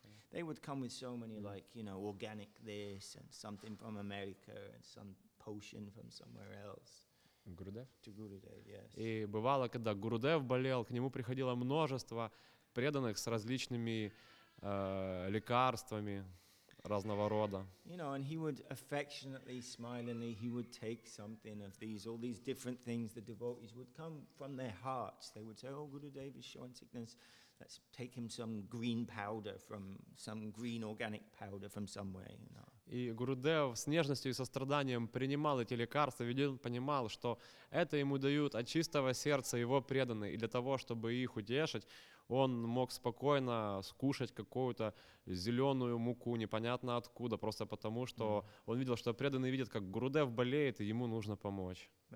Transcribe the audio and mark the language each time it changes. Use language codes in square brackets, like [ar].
[en] They would come with so many, like, you know, organic this and something from America and some potion from somewhere else. Gurudev? To Gurudev, yes. [ru] И бывало, когда Гурудев болел, к нему приходило множество преданных с различными лекарствами. Разного рода. [en] You know, and he would affectionately, smilingly, he would take something of these, all these different things. The devotees would come from their hearts. They would say, "Oh, Gurudev is showing sickness. Let's take him some green powder from some green organic powder from somewhere." You know. [ru] И Гурудев с нежностью и состраданием принимал эти лекарства, ведь он понимал, что это ему дают от чистого сердца его преданные, и для того, чтобы их утешить, он мог спокойно скушать какую-то зеленую муку, непонятно откуда, просто потому, что он видел, что преданный видит, как Гурудев болеет, и ему нужно помочь.